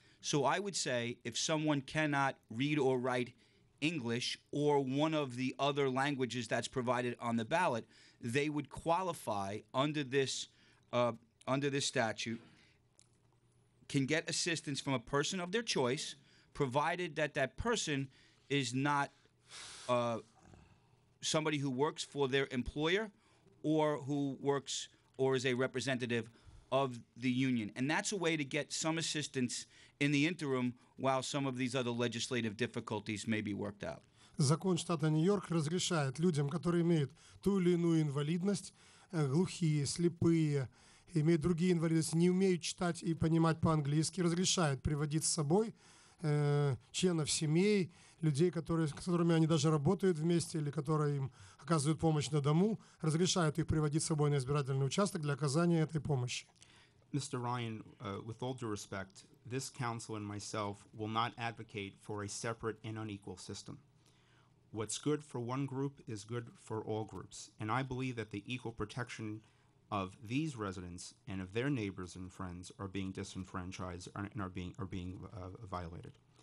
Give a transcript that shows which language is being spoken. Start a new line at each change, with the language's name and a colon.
English: So I would say if someone cannot read or write English or one of the other languages that's provided on the ballot, they would qualify under this statute, can get assistance from a person of their choice, provided that that person is not somebody who works for their employer or who works or is a representative of the union. And that's a way to get some assistance in the interim, while some of these other legislative difficulties may be worked out.
Russian: Закон штата Нью-Йорк разрешает людям, которые имеют ту или иную инвалидность, глухие, слепые, имеют другие инвалидности, не умеют читать и понимать по-английски, разрешает приводить с собой членов семей, людей, которые, с которыми они даже работают вместе или которые им оказывают помощь на дому, разрешает их приводить с собой на избирательный участок для оказания этой помощи.
English: Mr. Ryan, with all due respect, this council and myself will not advocate for a separate and unequal system. What's good for one group is good for all groups, and I believe that the equal protection of these residents and of their neighbors and friends are being disenfranchised and are being violated.